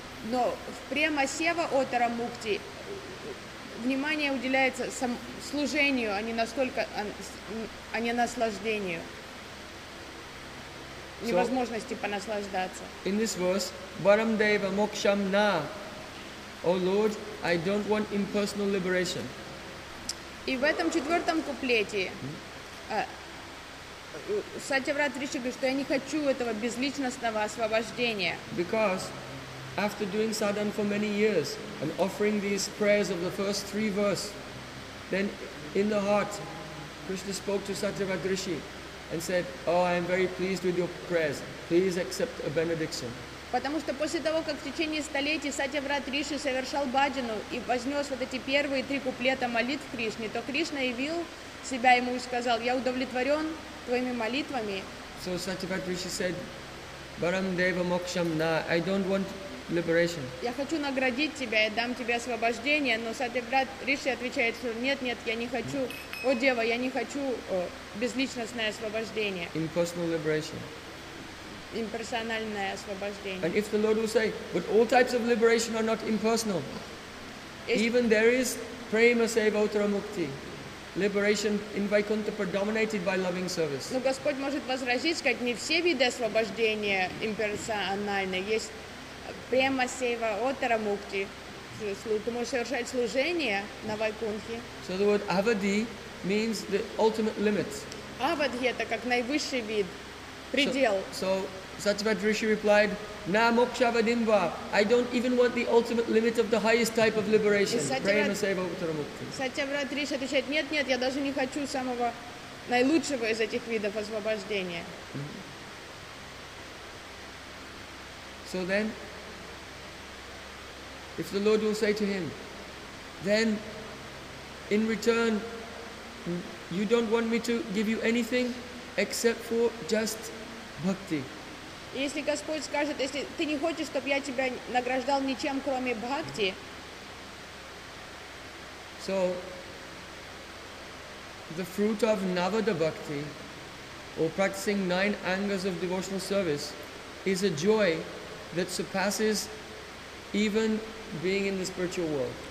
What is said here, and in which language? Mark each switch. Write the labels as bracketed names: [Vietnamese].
[Russian] Но в Према Сева Отара Мукти внимание уделяется служению, а не насколько, а не наслаждению, невозможности понаслаждаться. [English] In this verse, [Sanskrit] Varam Deva Moksham Na, [English] O Lord, I don't want impersonal liberation. [Russian] И в этом четвертом куплете Сатьяврат Риши говорит, что я не хочу этого безличностного освобождения. [English] Because after doing sadhan for many years and offering these prayers of the first three verse, then in the heart, Krishna spoke to Сатьяврат Риши and said, oh, I am very pleased with your prayers. Please accept a benediction. [Russian] Потому что после того, как в течение столетий Сатьяврат Риши совершал баджану и вознес вот эти первые три куплета молитв Кришне, то Кришна явил себя ему и сказал, я удовлетворен твоими молитвами. [English] So Сатьяврат Риши said, [Sanskrit] Барам Дева Моксам На, [English] I don't want liberation. [Russian] Я хочу наградить тебя, я дам тебе освобождение, но Сатьяврат Риши отвечает, что нет, я не хочу, о Дева, я не хочу безличностное освобождение. [English] Impersonal liberation. [Russian] Имперсональное освобождение. [English] And if the Lord will say, but all types of liberation are not impersonal, even there is Prema Seva Otara Mukti. Liberation in Vaikuntha predominated by loving service. [Russian] Но Господь может возразить, сказать, не все виды освобождения имперсональны. Есть Prema Seva Otara Mukti. Ты можешь совершать служение на Вайкунхе. [English] So the word avadhi means the ultimate limit. [Russian] Avadhi — это как наивысший вид, предел. [English] So Сатьяврат Риши replied, [Sanskrit] Na moksha vadimva. [English] I don't even want the ultimate limit of the highest type of liberation. [Sanskrit] Prema Seva Otara Mukti. [Russian] Сатьяврат Риши отвечает, нет, я даже не хочу самого наилучшего из этих видов освобождения. [English] So then, if the Lord will say to him, then in return, you don't want me to give you anything except for just bhakti. [Russian] Если Господь скажет, если ты не хочешь, чтобы я тебя награждал ничем, кроме бхакти. [English] So the fruit of Navada bhakti, or practicing nine angas of devotional service, is a joy that surpasses even being in the spiritual world.